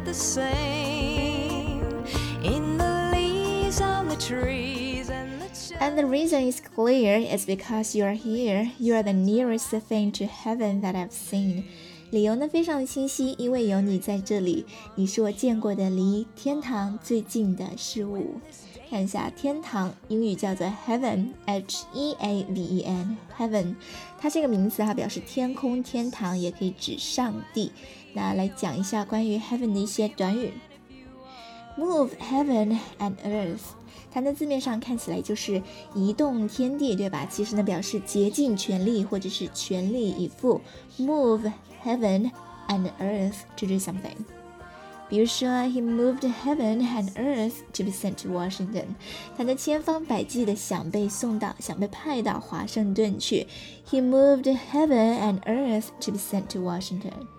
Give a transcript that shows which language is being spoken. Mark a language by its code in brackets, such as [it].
[en] the same in the leaves on the trees and the children. And the reason is clear, it's because you are here. You are the nearest thing to heaven that I've seen. [zh] 理由呢非常的清晰，因为有你在这里，你是我见过的离天堂最近的事物。看一下天堂，英语叫做 heaven，H-E-A-V-E-N， heaven， 它是一个名词，它表示天空、天堂，也可以指上帝。那来讲一下关于 heaven 的一些短语 ，move heaven and earth， 它的字面上看起来就是移动天地，对吧？其实呢，表示竭尽全力或者是全力以赴 ，move heaven and earth to do something。比如说 [en] ，He moved heaven and earth to be sent to Washington. [zh] 他的千方百计的想被送到，想被派到华盛顿去。 [en] He moved heaven and earth to be sent to Washington.